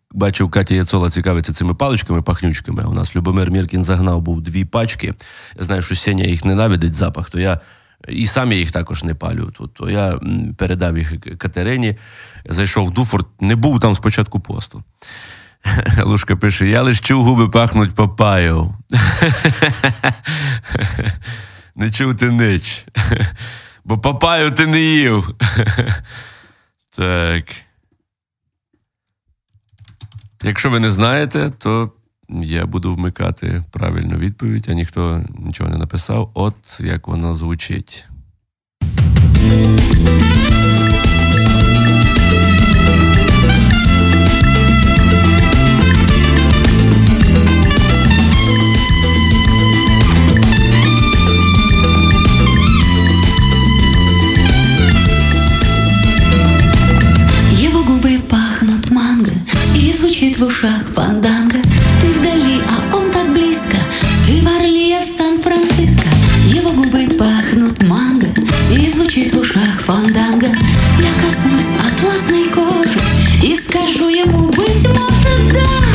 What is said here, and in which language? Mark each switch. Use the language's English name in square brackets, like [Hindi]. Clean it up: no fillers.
[Ukrainian] Бачив, Катя Яцола цікавиться цими паличками-пахнючками. У нас Любомир Міркін загнав, був дві пачки. Я знаю, що Сеня їх ненавидить запах, то я і сам їх також не палю. То я передав їх Катерині, зайшов в Дуфорт, не був там спочатку посту. Лушка пише, я лиш чув, губи пахнуть папайо. Не чув ти нич, бо папайо ти не їв. Так... Якщо ви не знаєте, то я буду вмикати правильну відповідь, а ніхто нічого не написав. От як воно звучить. Його губи пахнуть манго. [Russian] Звучит в ушах фанданга. Ты вдали, а он так близко. Ты в Орле, я в Сан-Франциско. Его губы пахнут манго. И звучит в ушах фанданга. Я коснусь атласной кожи и скажу ему, быть может, да.